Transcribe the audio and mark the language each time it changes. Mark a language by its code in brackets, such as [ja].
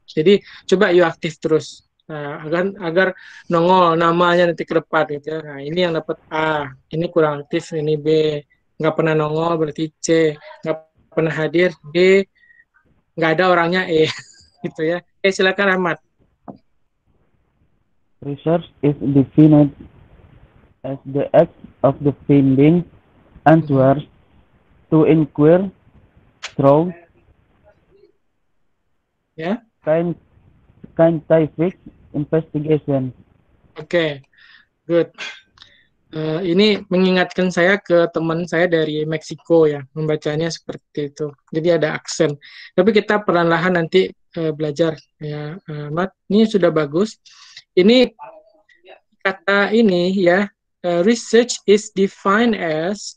[id] Jadi coba yuk aktif terus. Agar nongol namanya nanti ke depan gitu. Nah, ini yang dapat A, ini kurang aktif, ini B, nggak pernah nongol berarti C, nggak pernah hadir D, nggak ada orangnya E, gitu ya. Oke, silakan Ahmad. [en] Research is defined as the act of the finding answers to inquire through scientific investigation. Oke, good. [id] Ini mengingatkan saya ke teman saya dari Meksiko ya, membacanya seperti itu. Jadi ada aksen. Tapi kita perlahan-lahan nanti belajar ya, Mat. Ini sudah bagus. Ini kata ini ya, [en] research is defined as.